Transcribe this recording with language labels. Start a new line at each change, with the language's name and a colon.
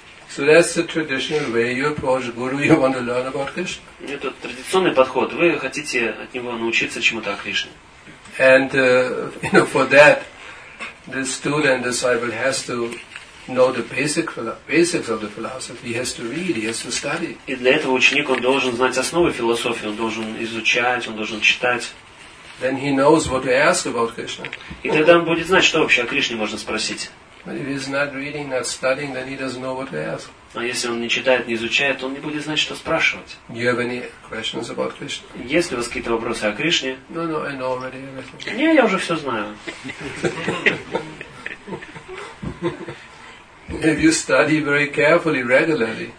English: So that's the traditional way you approach Guru. You want to learn about Krishna.
Russian: Это традиционный подход. Вы хотите от него научиться чему-то о Кришне.
English: And you know, for that, the student disciple has to know the basics of the philosophy. He has to read. He has to study.
Russian: И для этого ученик он должен знать основы философии. Он должен изучать. Он должен читать.
English: Then he knows what to ask about Krishna.
Russian: И тогда он будет знать, что вообще о Кришне можно спросить.
English: But if he's not reading, not studying, then he doesn't know what to ask.
Russian: А если он не читает, не изучает, он не будет знать, что спрашивать.
English: Do you have any questions about Krishna?
Russian: Есть ли у вас какие-то вопросы о Кришне?
English: No, no, I know already everything.
Russian: Не, я уже все знаю.
English: If you study very carefully, regularly.